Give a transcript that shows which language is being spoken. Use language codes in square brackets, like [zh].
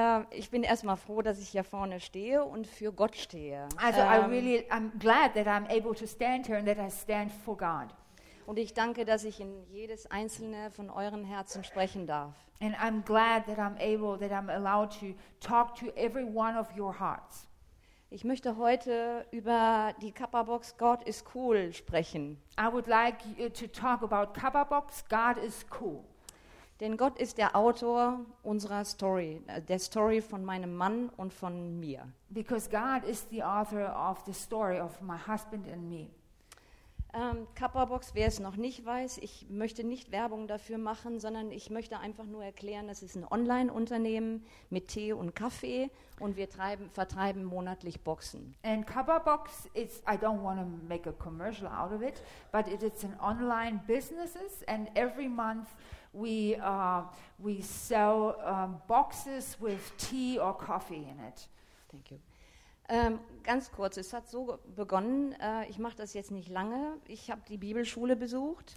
[de] Ich bin erstmal froh, dass ich hier vorne stehe und für Gott stehe. [en] Also I'm glad that I'm able to stand here and that I stand for God. [de] Und ich danke, dass ich in jedes einzelne von euren Herzen sprechen darf. [en] And I'm glad that I'm able, that I'm allowed to talk to every one of your hearts. [de] Ich möchte heute über die Kappa Box God is cool sprechen. [en] I would like to talk about Kappa Box God is cool. [de] Denn Gott ist der Autor unserer Story, der Story von meinem Mann und von mir. [en] Because God is the author of the story of my husband and me. [de] Kappa Box, wer es noch nicht weiß, ich möchte nicht Werbung dafür machen, sondern ich möchte einfach nur erklären, das ist ein Online-Unternehmen mit Tee und Kaffee und wir vertreiben monatlich Boxen. [en] And Kappa Box, it's, I don't want to make a commercial out of it, but it's an online business and every month we sell boxes with tea or coffee in it. Thank you. [de] Ganz kurz, es hat so begonnen, ich mache das jetzt nicht lange, ich habe die Bibelschule besucht.